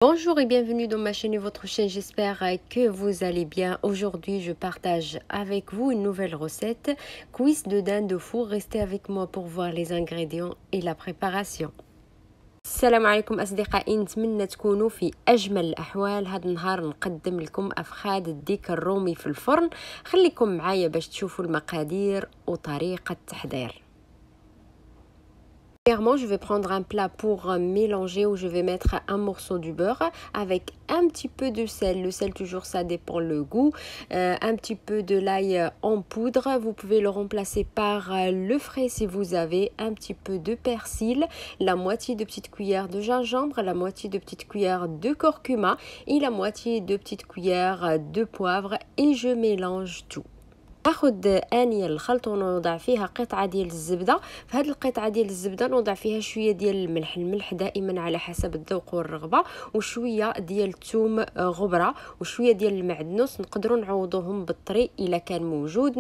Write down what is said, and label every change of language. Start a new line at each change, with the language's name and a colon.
French: Bonjour et bienvenue dans ma chaîne et votre chaîne, j'espère que vous allez bien. Aujourd'hui, je partage avec vous une nouvelle recette, cuisse de dinde de four. Restez avec moi pour voir les ingrédients et la préparation.
Arabic: السلام عليكم أصدقائي، نتمنى تكونوا في أجمل الأحوال. هذا النهار نقدم لكم أفخاد الديك الرومي في الفرن. خليكم معايا باش تشوفوا المقادير وطريقة التحضير.
French: Premièrement, je vais prendre un plat pour mélanger où je vais mettre un morceau du beurre avec un petit peu de sel. Le sel, toujours, ça dépend le goût. Un petit peu de l'ail en poudre. Vous pouvez le remplacer par le frais si vous avez un petit peu de persil. La moitié de petite cuillère de gingembre, la moitié de petite cuillère de curcuma et la moitié de petite cuillère de poivre. Et je mélange tout.
Arabic: ناخد آنية الخلط ونوضع فيها قطعة ديال الزبدة. في هذه القطعة ديال الزبدة نوضع فيها شوية ديال الملح، الملح دائما على حسب الذوق والرغبة، وشوية ديال الثوم غبرة وشوية ديال المعدنوس، نقدروا نعوضوهم بالطري إذا كان موجود.